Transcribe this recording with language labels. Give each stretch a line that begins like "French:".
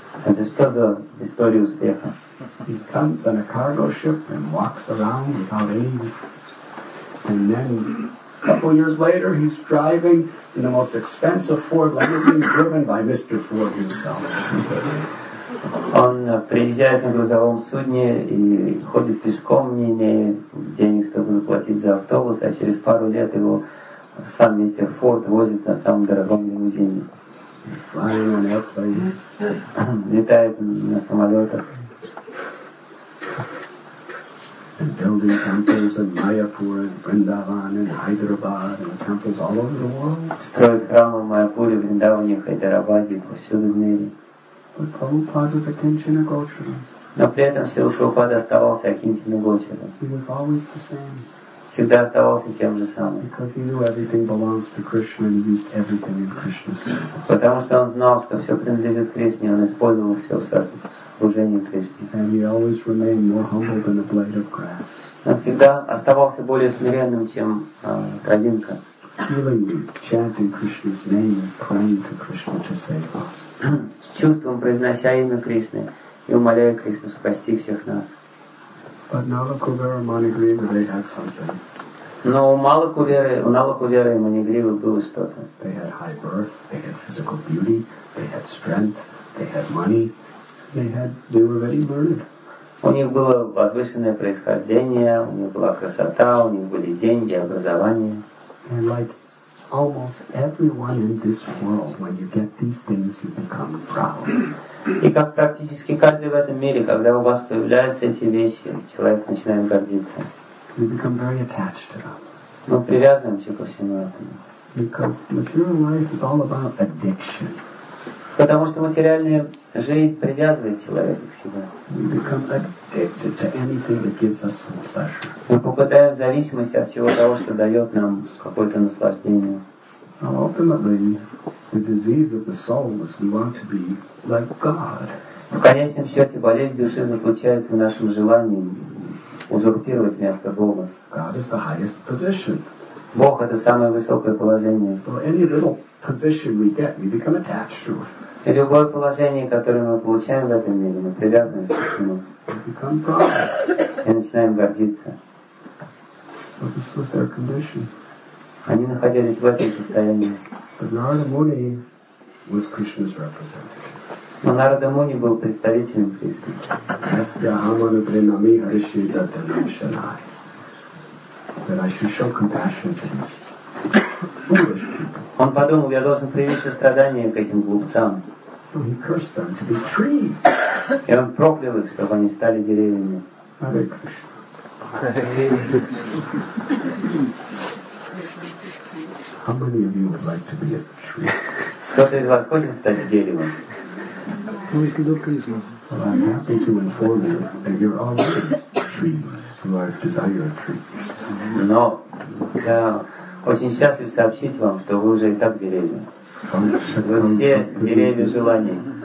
Russian: Это что за история успеха?
English: He comes on a cargo ship and walks around without aid. And then, a couple years later, he's driving in the most expensive Ford limousine driven by Mr. Ford himself.
Russian: Он приезжает на грузовом судне и ходит пешком, не имея денег, чтобы заплатить за автобус, а через пару лет его сам мистер Форд возит на самом дорогом лимузине.
English: Flying on airplanes.
Russian: Летает на самолетах.
English: And building temples in Mayapur and Vrindavan and Hyderabad and temples all over the world.
Russian: Строит храмы в Майяпуре, Вриндаване, Хайдарабаде и повсюду в мире.
English: But Prabhupada was a Akinchana Gochara.
Russian: Но при этом Шрила Прабхупада оставался Акинчина Гочара.
English: He was always the same.
Russian: Всегда оставался тем же самым.
English: Because he knew everything belongs to Krishna and used everything in Krishna's service.
Russian: Потому что он знал, что все принадлежит Кришне, он использовал все в служении Кришне.
English: And he always remained more humble than a blade of grass.
Russian: Он всегда оставался более смиренным, чем травинка.
English: Feeling, chanting Krishna's name and praying to Krishna to save us.
Russian: С чувством произнося имя Кришны и умоляя Кришну спасти всех нас.
English: But Nala Kuvera Manigri, they had something.
Russian: Но у малых уверы, у налоху веры ему не гривы было что-то.
English: They had high birth, they had physical beauty, they had strength, they had money, they were very learned.
Russian: У них было возвышенное происхождение, у них была красота, у них были деньги, образование.
English: And like almost everyone in this world, when you get these things, you become proud.
Russian: И как практически каждый в этом мире, когда у вас появляются эти вещи, человек начинает гордиться.
English: We become very attached to them.
Russian: Мы привязываемся ко всему этому.
English: Because material life is all about addiction.
Russian: Потому что материальная жизнь привязывает человека к себе.
English: We become addicted to anything that gives us some pleasure.
Russian: Мы попадаем в зависимость от всего того, что дает нам какое-то наслаждение.
English: And ultimately, the disease of the soul is we want to be like God.
Russian: В конечном счете, болезнь души заключается в нашем желании узурпировать место Бога.
English: God is the highest position.
Russian: Бог — это самое высокое положение.
English: So any little position we get, we become attached to it.
Russian: И любое положение, которое мы получаем в этом мире, мы привязываемся к нему.
English: We become proud.
Russian: И начинаем гордиться.
English: So this was their condition.
Russian: Они находились в этом состоянии.
English: But Narada Muni was Krishna's representative.
Russian: Но Нарада Муни был представителем Кришны.
Sanskrit: Asya Amaru Prinami Harishi Dattanam Shanai.
English: That I should show compassion to these foolish people.
Russian: Он подумал, я должен проявить сострадание к этим глупцам.
English: So he cursed them to be trees.
Russian: И он проклял их, чтобы они стали деревьями.
English: How many of you would like to be a tree?
Russian: Кто-то из вас хочет стать деревом? Ну, если до Кришны.
English: Well, I'm happy to inform you that you're all trees. You are desire trees.
Russian: Но я очень счастлив сообщить вам, что вы уже и так деревья. Вы все деревья желаний.